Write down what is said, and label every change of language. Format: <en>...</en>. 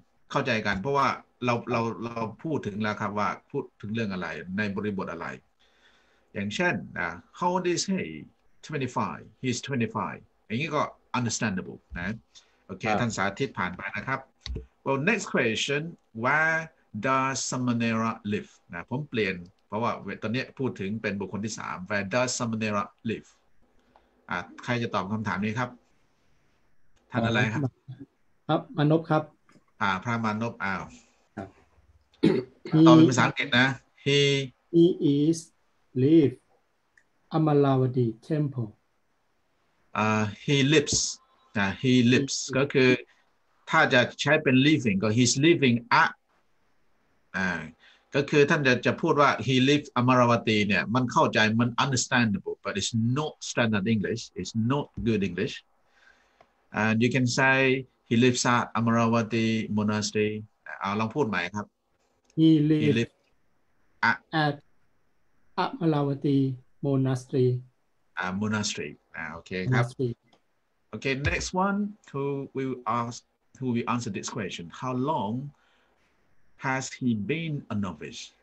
<th>เข้าใจกันเพราะว่าเราพูดถึงแล้วครับว่าพูดถึงเรื่องอะไรในบริบทอะไรอย่างเช่นนะ</th> <en>how old is he 25 he's 25</en> <th>อย่างนี้ก็ understandable นะโอเคท่านสาธิตผ่านไปนะครับ</th> <en>well next question where does Samanera live</en> <th>นะผมเปลี่ยนเพราะว่าตอนนี้พูดถึงเป็นบุคคลที่3</th> <en>where does Samanera live</en> <th>ใครจะตอบคำถามนี้ครับท่านอะไรครับ ครับมานพครับ พระมานพอ้าวตอบเป็นภาษาอังกฤษนะ</th> <en>he is live Amalawadi temple he lives he lives</en> <th>ก็คือถ้าจะใช้เป็น</th> <en>living ก็ he's living at</en> <th>ก็คือท่านจะพูดว่า</th> <en>he lives Amaravati</en> <th>เนี่ยมันเข้าใจมัน</th> <en>understandable but it's not standard English it's not good English and you can say he lives at Amaravati monastery</en> <th>ลองพูดใหม่ครับ</th> <en>he lives at Amaravati monastery monastery okay ครับ okay next one who will answer this question how longHas he been a novice?</en>